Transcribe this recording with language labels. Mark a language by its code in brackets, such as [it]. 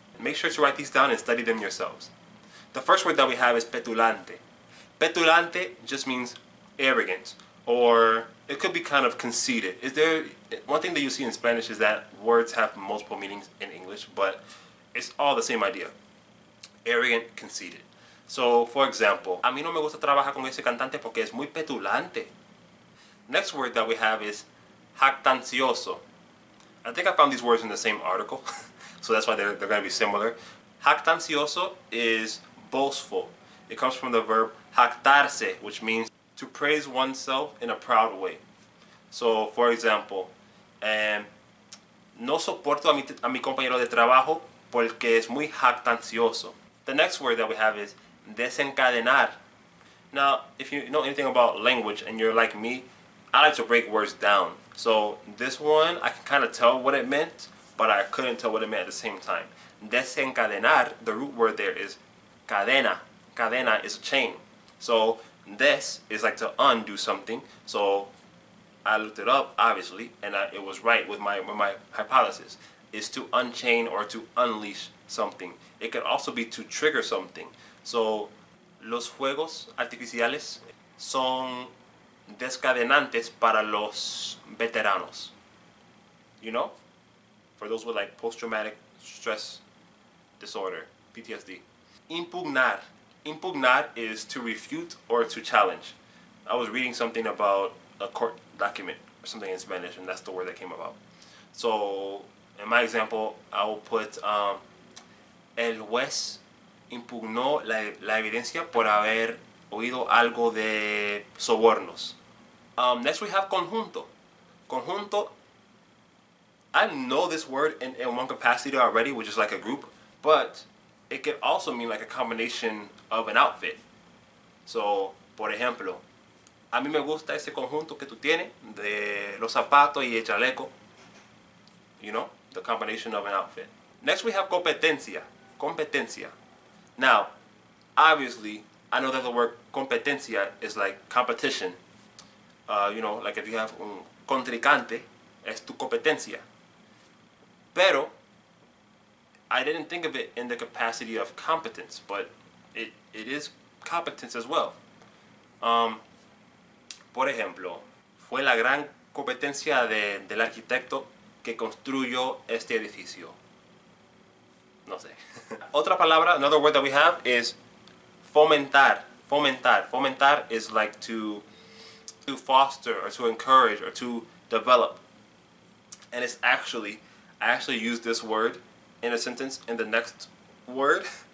[en] Make sure to write these down and study them yourselves. The first word that we have is petulante. Petulante just means arrogant, or it could be kind of conceited. Is there one thing that you see in Spanish is that words have multiple meanings in English, but it's all the same idea. Arrogant, conceited. So, for example, [es] a mí no me gusta trabajar con ese cantante porque es muy petulante. [en] Next word that we have is jactancioso. I think I found these words in the same article, so that's why they're going to be similar. Jactancioso is boastful. It comes from the verb jactarse, which means to praise oneself in a proud way. So, for example, [es] no soporto a mi compañero de trabajo porque es muy jactancioso. [en] The next word that we have is desencadenar. Now, if you know anything about language and you're like me, I like to break words down. So this one, I can kind of tell what it meant, but I couldn't tell what it meant at the same time. Desencadenar, the root word there is cadena. Cadena is a chain. So des is like to undo something. So I looked it up, obviously, and it was right with my hypothesis. Is to unchain or to unleash something. It could also be to trigger something. [es] So, los juegos artificiales son descadenantes para los veteranos. [en] You know? For those with like post-traumatic stress disorder, PTSD. Impugnar. Impugnar is to refute or to challenge. I was reading something about a court document or something in Spanish, and that's the word that came about. So, in my example, I will put [es] el juez impugnó la evidencia por haber oído algo de sobornos. [en] Next we have conjunto. Conjunto, I know this word in one capacity already, which is like a group, but it could also mean like a combination of an outfit. [es] So, por ejemplo, a mí me gusta ese conjunto que tú tienes de los zapatos y el chaleco. [en] You know? The combination of an outfit. Next we have competencia. Competencia. Now, obviously, I know that the word competencia is like competition. You know, like if you have [es] un contrincante, es tu competencia. [en] Pero, I didn't think of it in the capacity of competence, but it is competence as well. [es] Por ejemplo, fue la gran competencia del arquitecto que construyó este edificio. No sé. Otra palabra, [en] another word that we have is fomentar. Fomentar. Fomentar is like to foster or to encourage or to develop. And it's actually, I actually use this word in a sentence in the next word.